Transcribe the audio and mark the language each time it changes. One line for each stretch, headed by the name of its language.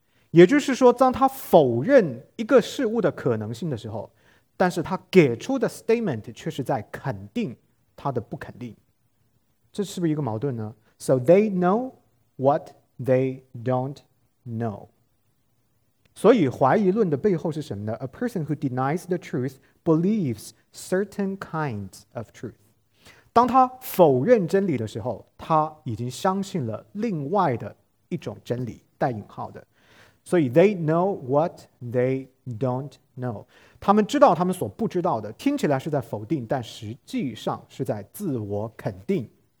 Chinese: 也就是说，当他否认一个事物的可能性的时候，但是他给出的 statement 却是在肯定他的不肯定，这是不是一个矛盾呢？
English: So they know what they don't know.
Chinese: 所以怀疑论的背后是什么呢？
English: A person who denies the truth believes certain kinds of truth.
Chinese: 当他否认真理的时候，他已经相信了另外的一种真理，带引号的。所以
English: they know what they don't know.
Chinese: 他们知道他们所不知道的，听起来是在否定，但实际上是在自我肯定。